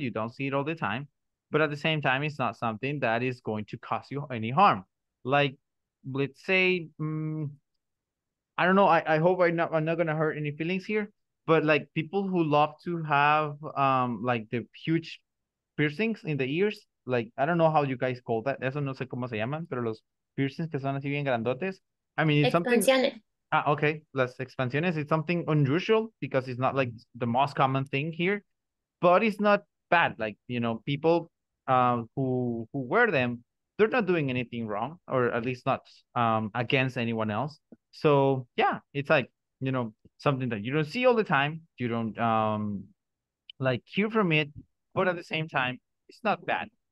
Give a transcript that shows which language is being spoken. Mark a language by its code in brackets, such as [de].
[en] You don't see it all the time. But at the same time, it's not something that is going to cause you any harm. Like, let's say, I don't know, I hope I'm not going to hurt any feelings here, but like people who love to have like the huge piercings in the ears, like, I don't know how you guys call that. [es] Eso no sé cómo se llaman, pero los piercings que son así bien grandotes. [en] I mean, it's something. [es] Expansiones. Ah, okay, las expansiones. [en] It's something unusual because it's not like the most common thing here, but it's not bad. Like, you know, people who wear them, they're not doing anything wrong, or at least not against anyone else. So yeah, it's like, you know, something that you don't see all the time, you don't like hear from it, but at the same time, it's not bad.